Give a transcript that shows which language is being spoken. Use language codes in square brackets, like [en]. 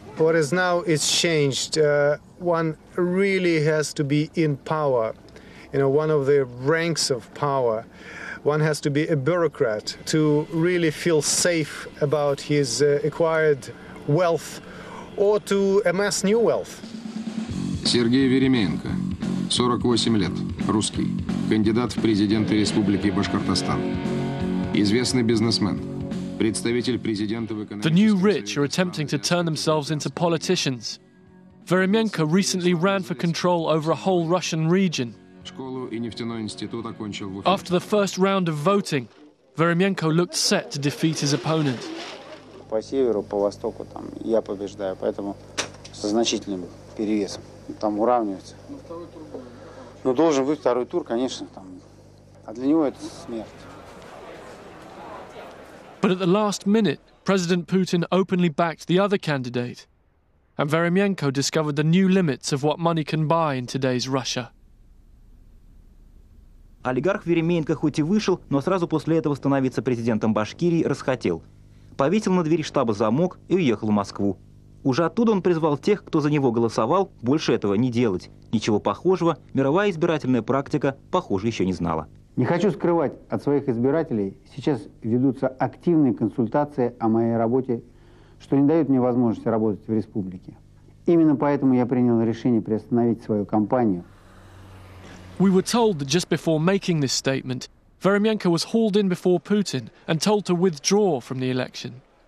[en] What is now is changed. One really has to be in power, you know, one of the ranks of power. One has to be a bureaucrat to really feel safe about his acquired wealth or to amass new wealth. [ru] Сергей Веременко, 48 лет, русский, кандидат в президенты Республики Башкортостан. Известный бизнесмен. [en] The new rich are attempting to turn themselves into politicians. Veremenko recently ran for control over a whole Russian region. After the first round of voting, Veremenko looked set to defeat his opponent. [ru] По северу, по востоку там я побеждаю, поэтому со значительным перевесом. Там уравнивается. Но должен быть второй тур, конечно, там. А для него это смерть. [en] But at the last minute, President Putin openly backed the other candidate, and Veremenko discovered the new limits of what money can buy in today's Russia. [ru] Олигарх Веременко хоть и вышел, но сразу после этого становиться президентом Башкирии расхотел. Повесил на двери штаба замок и уехал в Москву. Уже оттуда он призвал тех, кто за него голосовал, больше этого не делать. Ничего похожего мировая избирательная практика, похоже, еще не знала. Не хочу скрывать от своих избирателей, сейчас ведутся активные консультации о моей работе, что не дает мне возможности работать в республике. Именно поэтому я принял решение приостановить свою кампанию. [en] We were told that just before making this statement, Veremenko was hauled in before Putin and told to withdraw from the election.